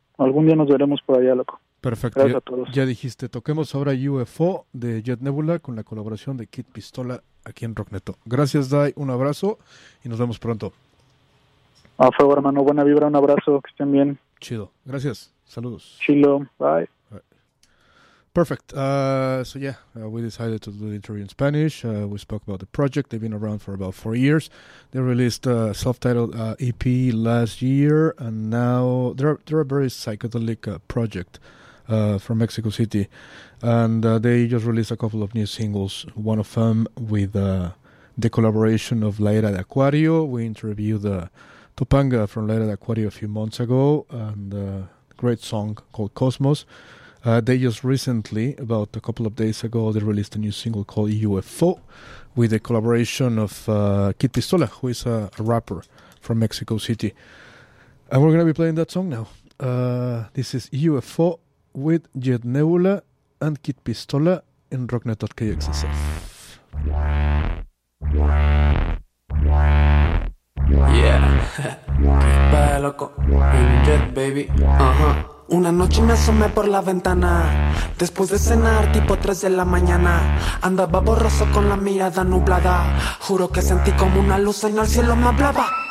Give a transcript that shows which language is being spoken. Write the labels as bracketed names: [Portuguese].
[Spanish] Algún día nos veremos por allá, loco. Perfecto. Gracias a todos. Ya dijiste, toquemos ahora UFO de Jet Nebula con la colaboración de Kid Pistola aquí en Rockneto. Gracias, Dai, un abrazo y nos vemos pronto. A favor, hermano, buena vibra, un abrazo, que estén bien. Chido, gracias, saludos. Chilo, bye. [English] Perfect. We decided to do the interview in Spanish. We spoke about the project. They've been around for about 4 years. They released a self-titled EP last year, and now they're a very psychedelic project from Mexico City. And they just released a couple of new singles, one of them with the collaboration of La Era de Acuario. We interviewed Topanga from La Era de Acuario a few months ago, and a great song called Cosmos. They just recently, about a couple of days ago, they released a new single called UFO with a collaboration of Kid Pistola, who is a rapper from Mexico City. And we're going to be playing that song now. This is UFO with Jet Nebula and Kid Pistola in rocknet.kxsf. [Spanish] Yeah, loco, Jet baby, Una noche me asomé por la ventana, después de cenar tipo 3 de la mañana. Andaba borroso con la mirada nublada, juro que sentí como una luz en el cielo me hablaba.